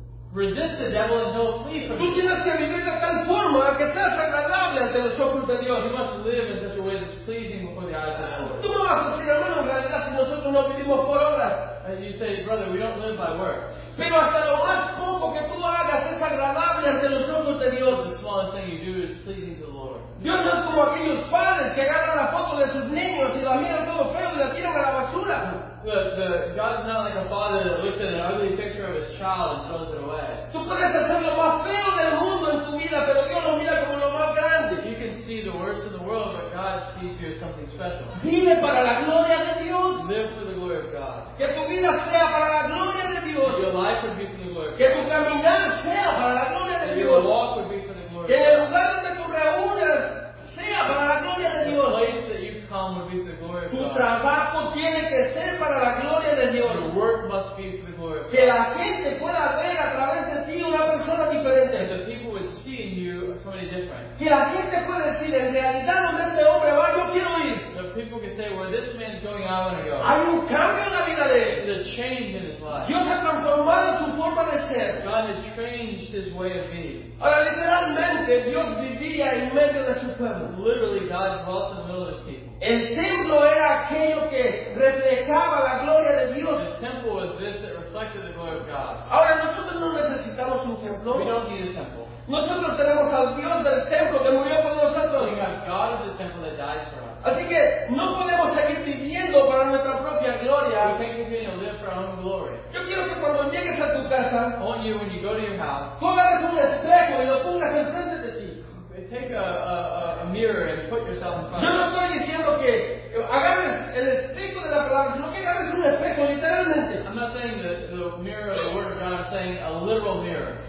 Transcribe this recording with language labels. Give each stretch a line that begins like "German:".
English: Resist the devil and he'll flee from you.
Spanish: Tú tienes que vivir de tal forma que seas agradable ante los ojos de Dios.
English: You must live in such a way that's pleasing before the eyes of the Lord.
Spanish: Tú no vas a decir, hermano, en realidad, si nosotros no vivimos por obras.
English: As you say, brother, we don't live by works.
Spanish: Pero hasta lo más poco que tú hagas es agradable ante los ojos de Dios.
English: The smallest thing you do is pleasing to the Lord.
Spanish: Dios no es como aquellos padres que agarran la foto de sus niños y la miran todo feo y la tiran a la basura.
English: The God is not like a father that looks at an ugly picture of his child and throws it away.
Spanish: Tú puedes hacer lo más feo del mundo en tu vida, pero Dios lo mira como lo más grande.
English: You can see the worst of the world, but God sees you as something special.
Spanish: Vive para la gloria de Dios.
English: Live for the glory of God.
Spanish: Que tu vida sea para la gloria de Dios.
English: That your life would be for the glory of God.
Spanish: Que tu caminar sea para la gloria de Dios.
English: That your walk would be for the glory of God.
Spanish: Que el lugar donde tú reúnes sea para la gloria de Dios.
English: The place that you come would be for the glory of God.
Spanish: Tu trabajo tiene que ser para la gloria de Dios.
English: Your work must be for the glory of God.
Spanish: Que la gente pueda ver a través de ti una persona diferente.
English: That the people would see in you somebody different.
Spanish: Que la gente pueda decir, en realidad, donde este hombre va, yo quiero ir.
English: That people could say, where this man is going, I want to go.
Spanish: Hay un cambio en la vida de él.
English: There's a change in his life.
Spanish: Dios ha transformado su forma de ser.
English: God has changed his way of being.
Spanish: Ahora, literalmente, Dios vivía en medio de su pueblo.
English: Literally, God dwelt in the middle of his people.
Spanish: El templo era aquello que reflejaba la gloria de Dios.
English: The temple was this that reflected the glory of God.
Spanish: Ahora, nosotros no necesitamos un templo.
English: We don't need a temple.
Spanish: Nosotros tenemos al Dios del templo que murió por nosotros.
English: We have God of the temple that died for us.
Spanish: Así que no podemos seguir viviendo para nuestra propia gloria.
English: We can't continue to live for our own glory.
Spanish: Yo quiero que cuando llegues a tu casa,
English: when you go to your house,
Spanish: pongas un espejo y lo pongas enfrente de ti.
English: Take a mirror and put yourself in front of
Spanish: Yo no estoy diciendo que agarres el espejo de la palabra, sino que agarres un espejo literalmente.
English: I'm not saying the mirror of the word of God, I'm saying a literal mirror.